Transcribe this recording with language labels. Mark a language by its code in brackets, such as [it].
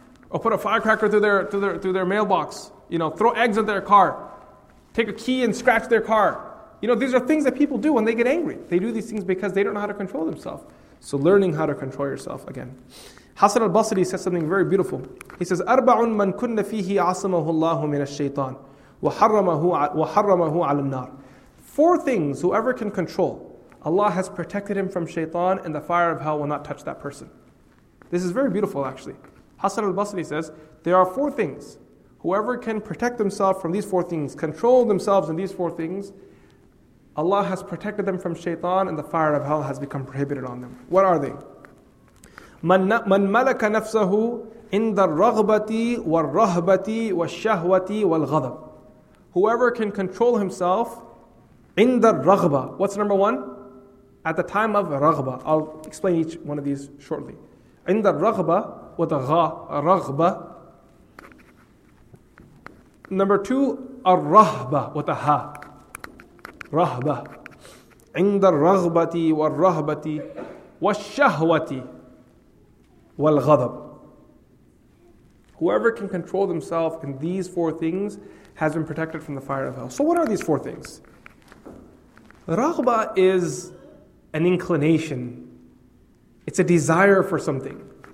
[en] Or put a firecracker through their mailbox. You know, throw eggs at their car. Take a key and scratch their car. You know, these are things that people do when they get angry. They do these things because they don't know how to control themselves. So learning how to control yourself again. Hasan al-Basri says something very beautiful. He says, [ar] أَرْبَعٌ مَنْ كُنَّ فِيهِ عَصَمَهُ اللَّهُ مِنَ الشَّيْطَانِ وَحَرَّمَهُ عَلَى النَّارِ. [en] Four things whoever can control, Allah has protected him from shaitan, and the fire of hell will not touch that person. This is very beautiful actually. Hasan al-Basri says, there are four things. Whoever can protect themselves from these four things, control themselves in these four things, Allah has protected them from shaitan, and the fire of hell has become prohibited on them. What are they? [ar] مَنْ مَلَكَ نَفْسَهُ عِنْدَ الرَّغْبَةِ وَالرَّهْبَةِ وَالشَّهْوَةِ وَالْغَضَبِ. [en] Whoever can control himself in the raghba. What's number one? At the time of raghba. I'll explain each one of these shortly. In the raghba, with a gha, a raghba. Number two, الرهبة with a ha. [ar] رهبة. عند الرغبة والرهبة والشهوة والغضب. [en] Whoever can control themselves in these four things has been protected from the fire of hell. So what are these four things? رغبة is an inclination. It's a desire for something.